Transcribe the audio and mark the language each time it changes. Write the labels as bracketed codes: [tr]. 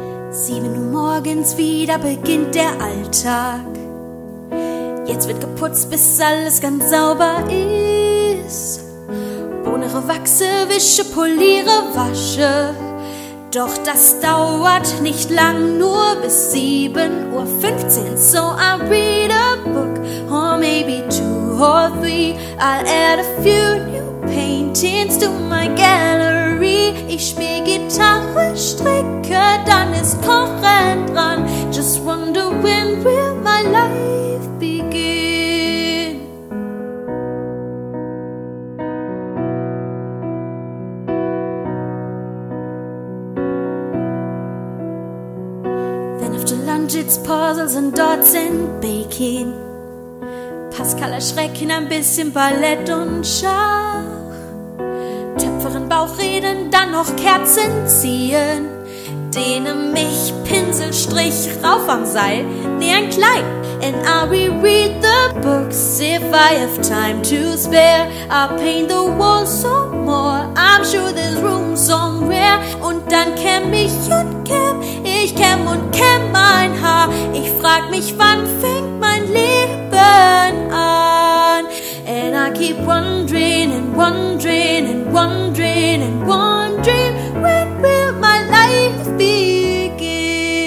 [de] 7 Uhr morgens wieder beginnt der Alltag. Jetzt wird geputzt, bis alles ganz sauber ist. Bohnere, wachse, wische, poliere, wasche. Doch das dauert nicht lang, nur bis 7.15 Uhr. [en] So I read a book, or maybe 2 or 3. I'll add a few new paintings to my gallery. [de] Ich spiel Gitarre, stricke, dann ist Kochen dran. [en] Just wondering where my life begin. Then after lunch it's puzzles and dots and baking. [de] Pascal erschrecken, ein bisschen Ballett und Schach. Töpferin, Bauchreden, dann noch Kerzen ziehen. Dehne mich, Pinselstrich, rauf am Seil, näh ein Kleid. [en] And I reread the books if I have time to spare. I'll paint the walls some more, I'm sure there's room somewhere. [de] Und dann kämm ich und kämm, ich kämm und kämm mein Haar. Ich frag mich, wann fängt mein Leben an? [en] And I keep wondering and wondering and wondering and wondering, when will my life be?